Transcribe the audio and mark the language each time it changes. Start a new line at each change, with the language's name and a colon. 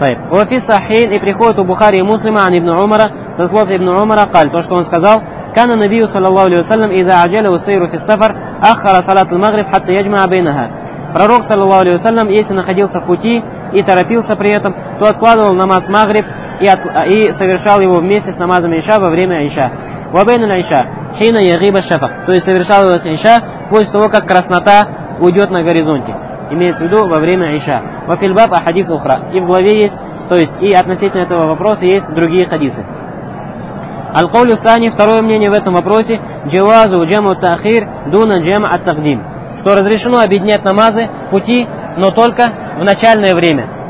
Russian: Вафис сахин и приходит у Бухари и Муслима ан ибн Умара со слов ибн Умара каль, то, что он сказал,
Arabic: كان النبي صلى الله عليه وسلم إذا عجل وسير في السفر أخر صلاة المغرب حتى يجمع بينها.
Russian: Пророк صلى الله عليه وسلم, если находился в пути и торопился при этом, то откладывал намаз магриб и совершал его вместе с намазом иша во время иша.
Arabic: وبين العشاء حين يغيب الشفق.
Russian: То есть совершал его с иша после того, как краснота уйдет на горизонте. Имеется в виду во время иша.
Arabic: وفي الباب أحاديث أخرى.
Russian: И в главе есть, то есть и относительно этого вопроса есть другие хадисы. Аль-Каулю Сани, второе мнение в этом вопросе, джавазу джаму таахир дуна джама ат-тагдим, что разрешено объединять намазы в пути, но только в начальное время.